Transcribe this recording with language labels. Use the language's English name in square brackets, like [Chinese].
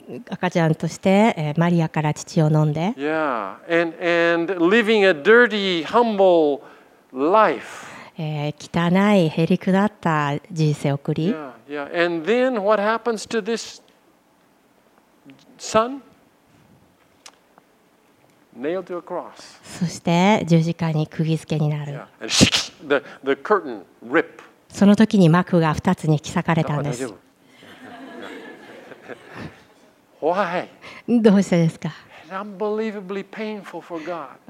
[Japanese] 赤ちゃんとしてマリアから乳を飲んで。 [English] Yeah, and living a dirty, humble life. [Japanese] 汚い、へりくだった人生を送り。 [English] Yeah, and then what happens to this son? Nailed to a cross. [Japanese] そして十字架に釘付けになる。 [English] Yeah. The curtain rip. [Japanese] その時に幕が二つに引き裂かれたんです。 [English] Why? [Japanese] どうしてですか？ [English] Unbelievably painful for God.